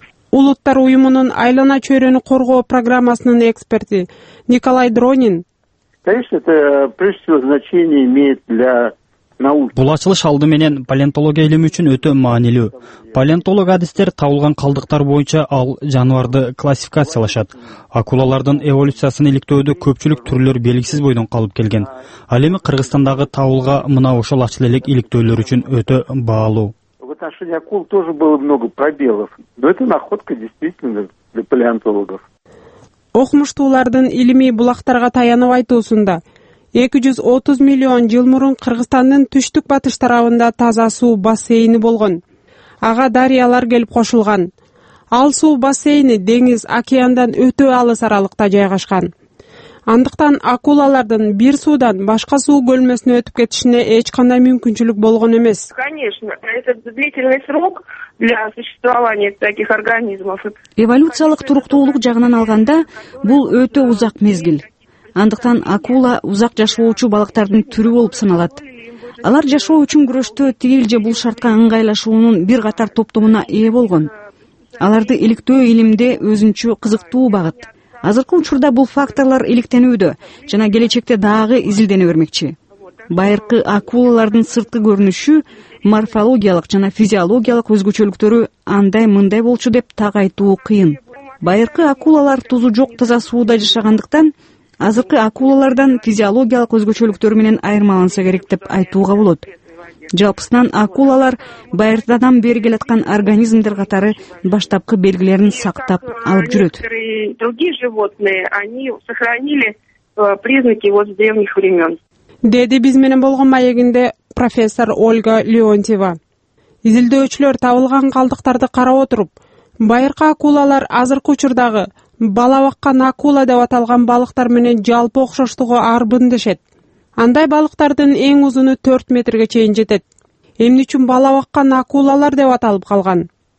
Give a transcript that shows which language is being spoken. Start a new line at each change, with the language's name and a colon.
Kyrgyz: Улуттар уюмунун айлана чөйрөнү коргоо программасынын эксперти Николай Дронин.
Russian: Конечно, это прежде всего значение имеет для науки.
Kyrgyz: Бул ачылыш алды менен палеонтология илими үчүн өтө маанилүү. Палеонтолог адистер табылган калдыктар боюнча ал жаныбарды классификациялашат. Акулалардын эволюциясын иликтөөдө көпчүлүк түрлөр белгисиз бойдон калып келген. Ал эми Кыргызстандагы табылга мына ошол ачыла элек иликтөөлөр үчүн өтө баалуу.
Russian: В отношении акул тоже было много пробелов, но это находка действительно для палеонтологов.
Kyrgyz: Окумуштуулардын илимий булактарга таянып айтуусунда 230 миллион жыл мурун Кыргызстандын түштүк батыш тарабында таза суу бассейни болгон. Ага дарыялар келип кошулган. Ал суу бассейни деңиз океандан өтө алыс аралыкта жайгашкан. Андыктан акулалардын бир суудан башка суу көлмөсүнө өтүп кетишине эч кандай мүмкүнчүлүк болгон эмес.
Russian: Конечно, этот длительный срок для существования таких организмов.
Kyrgyz: Эволюциялык туруктуулук жагынан алганда, бул өтө узак мезгил. Андыктан акула узак жашоочу балыктардын түрү болуп саналат. Алар жашоо үчүн күрөштө тигил же бул шартка ыңгайлашуунун бир катар топтомуна ээ болгон. Аларды иликтөө илимде өзүнчө кызыктуу багыт. Азыркы учурда бул факторлор иликтенүүдө жана келечекте дагы изилдене бермекчи. Байыркы акулалардын сырткы көрүнүшү, морфологиялык жана физиологиялык өзгөчөлүктөрү андай мындай болчу деп так айтуу кыйын. Байыркы акулалар тузу жок таза сууда жашагандыктан азыркы акулалардан физиологиялык өзгөчөлүктөрү менен айырмаланса керек деп айтууга болот. Жалпысынан акулалар байыртадан бери келаткан организмдер катары баштапкы белгилерин сактап алып жүрөт.
Russian: Другие животные, они сохранили признаки вот с древних времен.
Kyrgyz: Деди биз менен болгон маегинде профессор Ольга Леонтьева. Изилдөөчүлөр табылган калдыктарды карап отуруп, байыркы акулалар азыркы учурдагы бала баккан акула деп аталган балыктар менен жалпы окшоштугу арбын дешет. Андай балыктардын эң узуну 4 метрге чейин жетет. Эмне үчүн бала баккан акулалар деп аталып калган?